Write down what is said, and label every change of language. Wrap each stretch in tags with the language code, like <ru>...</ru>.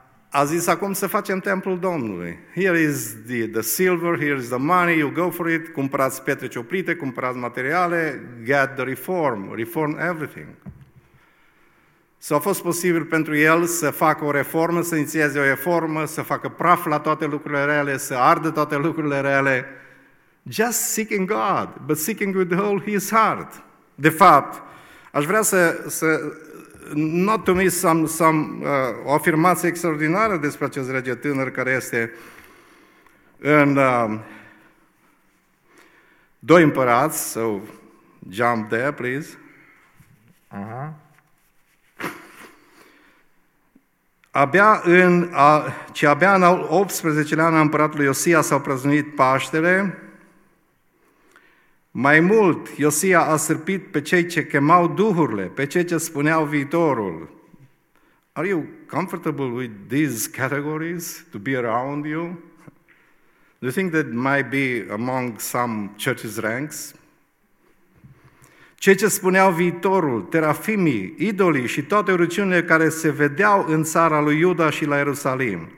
<ro>A zis, acum să facem templul Domnului.</ro> <en>Here is the silver, here is the money, you go for it,</en> <ro>cumpărați pietre cioplite, cumpărați materiale,</ro> <en>get the reform everything.</en> <ro>S-a fost posibil pentru el să facă o reformă, să inițieze o reformă, să facă praf la toate lucrurile rele, să ardă toate lucrurile rele.</ro> <en>Just seeking God, but seeking with all his heart.</en> <ro>De fapt, aș vrea să</ro> <en>not to miss some</en> <ro>o afirmație extraordinară despre acest rege tânăr care este în 2 împărați,</ro> <en>so jump there, please.</en> <ro>Abia în al 18-lea an a împăratului Iosia s-au prăznuit Paștele. Mai mult, Iosia a sârpit pe cei ce chemau duhurile, pe cei ce spuneau viitorul.</ro> <en>Are you comfortable with these categories to be around you? Do you think that might be among some church's ranks?</en> <ro>Cei ce spuneau viitorul, terafimii, idolii și toate urăciunile care se vedeau în țara lui Iuda și la Ierusalim.</ro>